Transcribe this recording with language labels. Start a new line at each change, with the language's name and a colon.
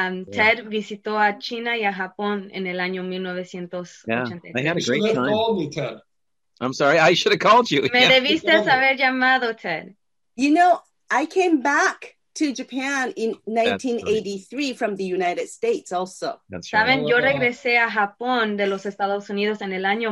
Spanish: Ted visitó a China y a Japón en el año 1983.
English: Yeah, I had a great time. You should have called me, Ted. I'm sorry, I should have called you.
Spanish: Me debiste haber llamado, Ted.
English: You know, I came back to Japan in 1983 from the United States also. That's right.
Spanish: Saben, yo regresé a Japón de los Estados Unidos en el año